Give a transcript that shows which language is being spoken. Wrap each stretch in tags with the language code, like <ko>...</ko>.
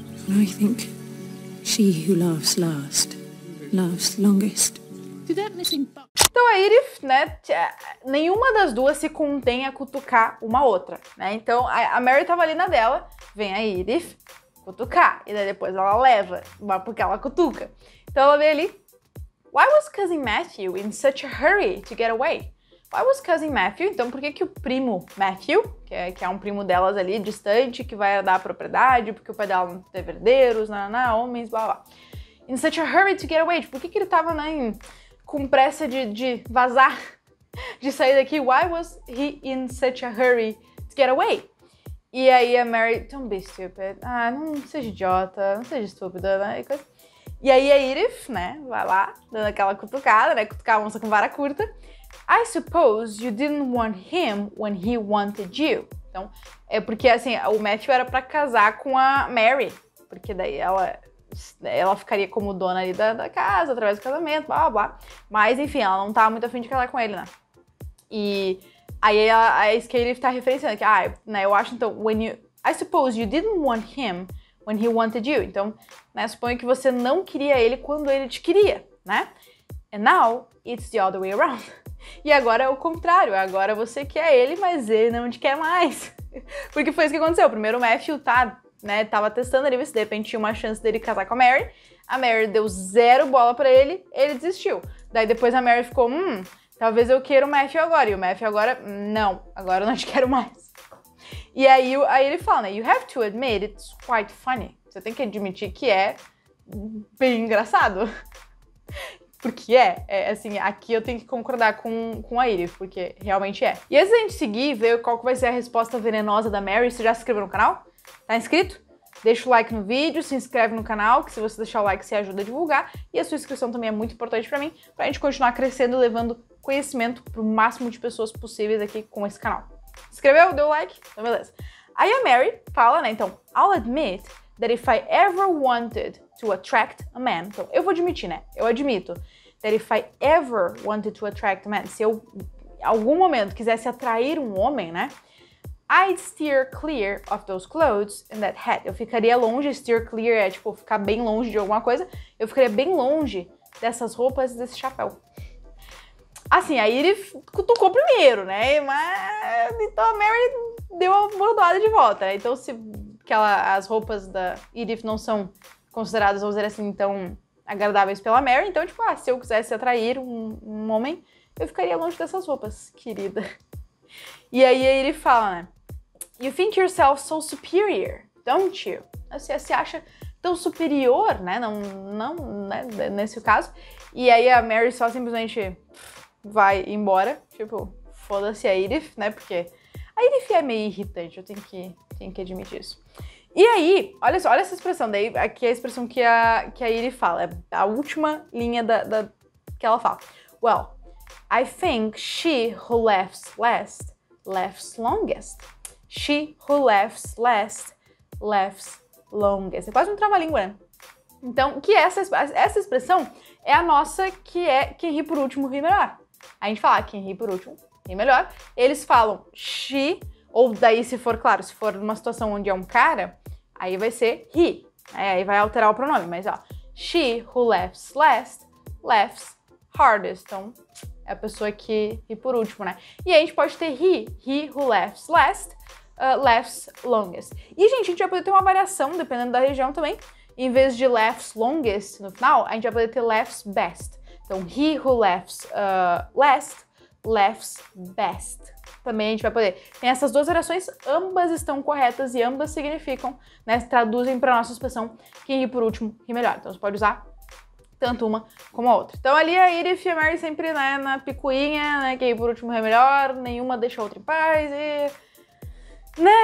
<en>I think she who laughs last, laughs longest.</en> <pt>Então a Edith, né, nenhuma das duas se contém a cutucar uma outra, né? Então a Mary tava ali na dela, vem a Edith cutucar, e daí depois ela leva, porque ela cutuca. Então ela vem ali.</pt> <en>Why was Cousin Matthew in such a hurry to get away? Why was Cousin Matthew?</en> <pt>Então por que que o primo Matthew, que é um primo delas ali, distante, que vai dar a propriedade, porque o pai dela não teve herdeiros, nananá, homens, blá blá.</pt> <en>In such a hurry to get away?</en> <pt>Por que que ele tava, né, com pressa de vazar, de sair daqui?</pt> <en>Why was he in such a hurry to get away?</en> <pt>E aí a Mary,</pt> <en>don't be stupid.</en> <pt>Ah, não seja idiota, não seja estúpida, né? E aí a Edith, né, vai lá, dando aquela cutucada, né, cutucar a moça com vara curta.</pt> <en>I suppose you didn't want him when he wanted you.</en> <pt>Então, é porque, assim, o Matthew era pra casar com a Mary, porque daí ela ficaria como dona ali da casa, através do casamento, blá, blá, blá. Mas, enfim, ela não tava muito afim de casar com ele, né? E aí é isso que ele tá referenciando, que, né, eu acho, então,</pt> <en>I suppose you didn't want him when he wanted you.</en> <pt>Então, né, suponho que você não queria ele quando ele te queria, né?</pt> <en>And now, it's the other way around.</en> <pt>E agora é o contrário, agora você quer ele, mas ele não te quer mais. Porque foi isso que aconteceu, primeiro o Matthew tava testando ali, se de repente tinha uma chance dele casar com a Mary deu zero bola pra ele, ele desistiu. Daí depois a Mary ficou, talvez eu queira o Matthew agora, e o Matthew agora, não, agora eu não te quero mais. E aí ele fala, né,</pt> <en>you have to admit it's quite funny.</en> <pt>Você tem que admitir que é bem engraçado. Porque assim, aqui eu tenho que concordar com a Iri, porque realmente é. E antes da gente seguir e ver qual que vai ser a resposta venenosa da Mary, você já se inscreveu no canal? Tá inscrito? Deixa o like no vídeo, se inscreve no canal, que se você deixar o like, você ajuda a divulgar. E a sua inscrição também é muito importante pra mim, pra gente continuar crescendo e levando conhecimento pro máximo de pessoas possíveis aqui com esse canal. Inscreveu? Deu like? Então beleza. Aí a Mary fala, né, então,</pt> <en>I'll admit that if I ever wanted to attract a man.</en> <pt>Então, eu vou admitir, né? Eu admito.</pt> <en>That if I ever wanted to attract a man,</en> <pt>se eu em algum momento quisesse atrair um homem, né?</pt> <en>I'd steer clear of those clothes and that hat.</en> <pt>Eu ficaria longe, steer clear é tipo ficar bem longe de alguma coisa. Eu ficaria bem longe dessas roupas e desse chapéu. Assim, aí ele cutucou primeiro, né? Mas então a Mary deu a bordoada de volta, né? Então se aquela, as roupas da Edith não são consideradas, vamos dizer assim, tão agradáveis pela Mary. Então, tipo, se eu quisesse atrair um homem, eu ficaria longe dessas roupas, querida. E aí ele fala, né?</pt> <en>You think yourself so superior, don't you?</en> <pt>Você se acha tão superior, né? Não, não, né? Nesse caso. E aí a Mary só simplesmente vai embora. Tipo, foda-se a Edith, né? Porque a Edith é meio irritante, eu tenho que admitir isso. E aí, olha só, olha essa expressão, daí aqui é a expressão que a Iri fala, é a última linha da, da que ela fala.</pt> <en>Well, I think she who laughs last laughs longest. She who laughs last laughs longest.</en> <pt>É quase um trava-língua, né? Então, que essa expressão é a nossa que é quem ri por último ri melhor. A gente fala quem ri por último ri melhor. Eles falam she, ou daí se for, claro, se for numa situação onde é um cara, aí vai ser he. Aí vai alterar o pronome, mas ó.</pt> <en>She who laughs last laughs hardest.</en> <pt>Então, é a pessoa que ri por último, né? E aí a gente pode ter he.</pt> <en>He who laughs last laughs longest.</en> <pt>E, gente, a gente vai poder ter uma variação, dependendo da região também. Em vez de</pt> <en>laughs longest</en> <pt>no final, a gente vai poder ter</pt> <en>laughs best. Então, he who laughs last laughs best.</en> <pt>Também a gente vai poder. Tem essas duas variações, ambas estão corretas e ambas significam, né? Traduzem para nossa expressão quem ri por último ri melhor. Então, você pode usar tanto uma como a outra. Então, ali a Edith e a Mary sempre, né, na picuinha, né? Quem ri por último ri melhor, nenhuma deixa a outra em paz e... Né?</pt>